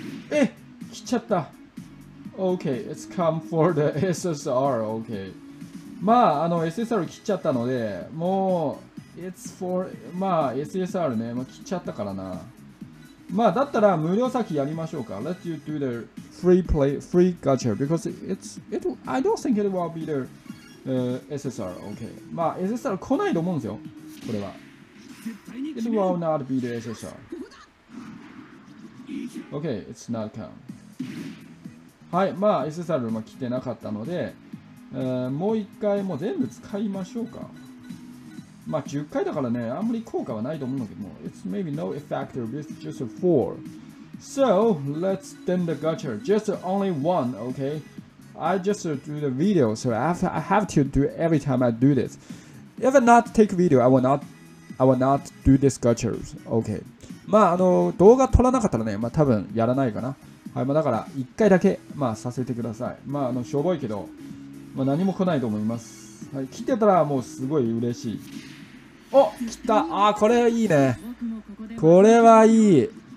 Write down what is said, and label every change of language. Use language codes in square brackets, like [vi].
[ja] え、来ちゃった。 [en] OK、It's come for the SSR, OK。 [ja] まあ、SSR 来ちゃったので、もう、 [en] It's for, [ja] まあ、SSR ね、まあ、来ちゃったからな。まあ、だったら、無料先やりましょうか。 [en] Let you do the free play, free gacha, because I don't think it will be the、SSR, OK。 [ja] まあ、SSR 来ないと思うんですよ、これは。 [en] It will not be the SSR。 OK, it's not come. [ja] はい、まあ SSR も来てなかったので、もう一回もう全部使いましょうか。まあ10回だからね、あんまり効果はないと思うんだけども。 [en] It's maybe no effective, it's just a 4. So, let's turn the gacha. Just only one, OK? I just do the video, so I have to do every time I do this. If I not take video, I will not do this gacha, OK? [ja] まあ動画撮らなかったらね、まあ多分やらないかな。はい、まあだから一回だけ、まあさせてください。まあしょぼいけど、まあ何も来ないと思います。はい、来てたらもうすごい嬉しい。お、来た。あ、これいいね。これはいい。